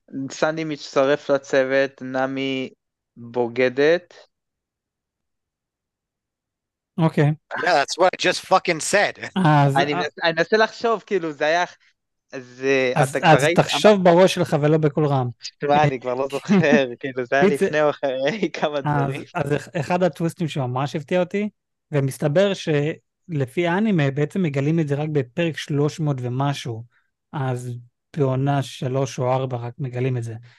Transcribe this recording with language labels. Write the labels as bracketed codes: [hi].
[he] סנדי מצטרף לצוות, נמי בוגדת. אוקיי. [en] Yeah, that's what I just fucking said. [he] אני מנסה לחשוב, כאילו, זה היה... אז תחשוב בראש שלך ולא בקול רם. תראה, אני כבר לא זוכר, כאילו, זה היה לפני או אחרי כמה דברים. אז אחד הטוויסטים שממש הפתיע אותי, ומסתבר שלפי האנימה בעצם מגלים את זה רק בפרק 300 ומשהו, אז בעונה 3 או 4 רק מגלים את זה.